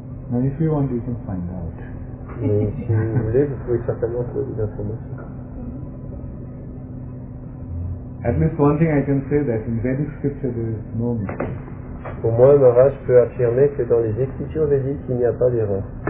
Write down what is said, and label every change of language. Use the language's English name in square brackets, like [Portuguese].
[English] Now if you want, you can find out. [French] Mais si vous voulez, vous pouvez certainement trouver des informations. [English] At least one thing I can say, that in Vedic scripture there is no mistake. [French] Au moins, Maharaj peut affirmer que dans les écritures védiques, il n'y a pas d'erreur.